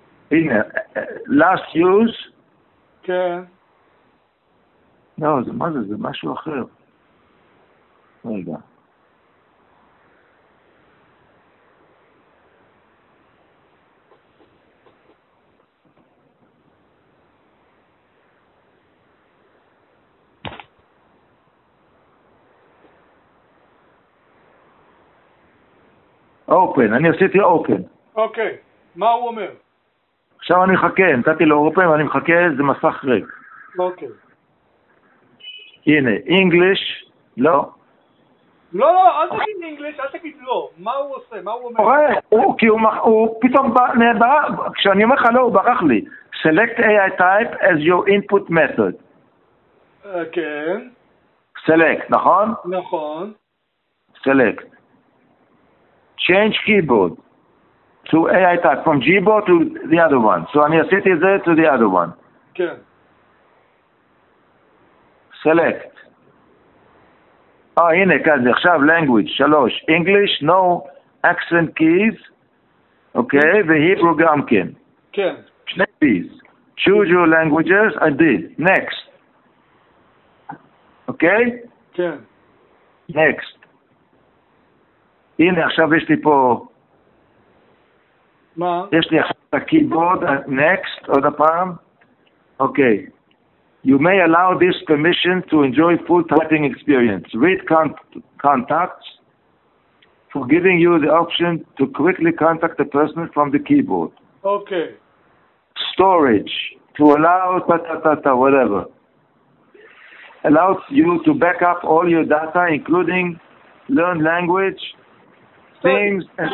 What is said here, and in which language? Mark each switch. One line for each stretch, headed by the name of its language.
English: הנה, last use.
Hebrew: כן. לא, זה מה זה? זה משהו אחר. רגע. אופן, אני עשיתי אופן. אוקיי, מה הוא אומר? עכשיו אני מחכה, נתתי לו אופן ואני מחכה, זה מסך ריק. אוקיי. הנה, English, לא. לא, לא, אל תגיד English, אל תגיד לא. מה הוא עושה, מה הוא אומר? הוא, כי הוא פתאום נעבר, כשאני אומר לך לא, הוא ברח לי.
English: Select AI type as your input method.
Hebrew: כן. Select, נכון? נכון.
English: Select. Change keyboard to AI type, from Gboard to the other one. So
Hebrew: אני עשיתי זה
English: to the other one.
Hebrew: כן.
English: Select.
Hebrew: אה, הנה, כזה, עכשיו, language, 3.
English: English, no accent keys.
Hebrew: אוקיי, והיברו גם כן. כן. שני keys.
English: Choose your languages, I did. Next. אוקיי?
Hebrew: כן. Next. הנה, עכשיו יש לי פה... מה? יש לי עכשיו את הקייבורד, next, עוד הפעם. אוקיי.
English: You may allow this permission to enjoy full typing experience. Read contacts for giving you the option to quickly contact the person from the keyboard. Okay. Storage to allow whatever. Allows you to back up all your data, including learn language, things,